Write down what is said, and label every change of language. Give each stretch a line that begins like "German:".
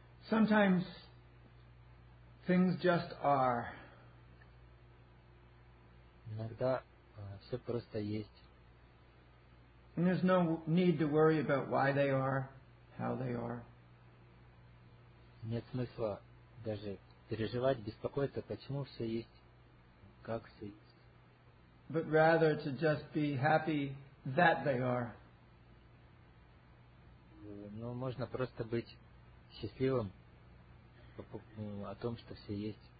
English: Sometimes things just are.
Russian: Иногда все просто есть.
English: And there's no need to worry about why they are, how they are.
Russian: Нет смысла даже переживать, беспокоиться, почему все есть, как все есть.
English: But rather to just be happy that they are.
Russian: Ну, можно просто быть счастливым о том, что все есть.